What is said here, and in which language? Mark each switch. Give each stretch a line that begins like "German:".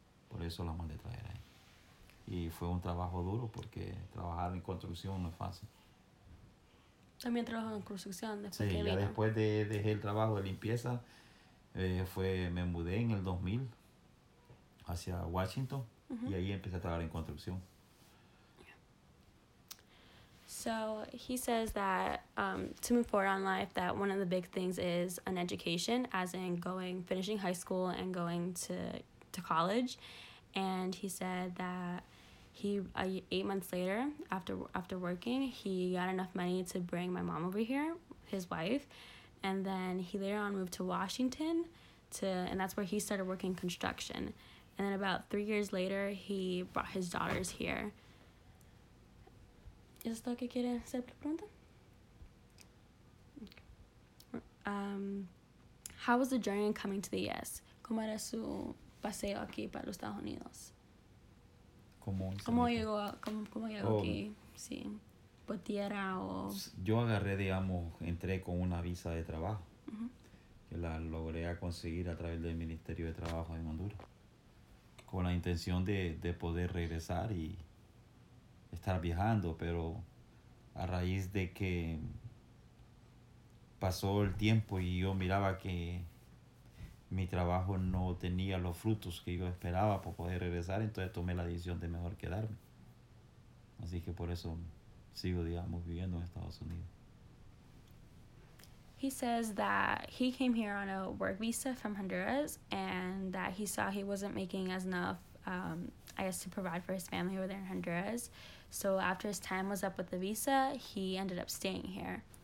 Spanish: Por eso las mandé a traer ahí. Y fue un trabajo duro porque trabajar en construcción no es fácil. También trabajó en construcción después. Sí, que ya después de dejé el trabajo de limpieza, me mudé en el 2000 hacia Washington. Uh-huh. Y ahí empecé a trabajar en construcción.
English: So he says that to move forward on life, that one of the big things is an education, as in finishing high school and going to college. And he said that he 8 months later, after working, he got enough money to bring my mom over here, his wife, and then he later on moved to Washington, and that's where he started working construction, and then about 3 years later, he brought his daughters here.
Spanish: ¿Es esto que quiere hacer pregunta?
English: How was the journey in coming to the U.S.?
Spanish: ¿Cómo era su paseo aquí para los Estados Unidos? ¿Cómo llegó aquí? Sí. ¿Por tierra o...? Yo agarré, entré con una visa de trabajo. Uh-huh. Que la logré conseguir a través del Ministerio de Trabajo en Honduras. Con la intención de poder regresar y estar viajando. Pero a raíz de que pasó el tiempo y yo miraba que mi trabajo no tenía los frutos que yo esperaba para poder regresar, entonces tomé la decisión de mejor quedarme. Así que por eso sigo, viviendo en Estados Unidos.
English: He says that he came here on a work visa from Honduras and that he saw he wasn't making as enough, to provide for his family over there in Honduras. So after his time was up with the visa, he ended up staying here.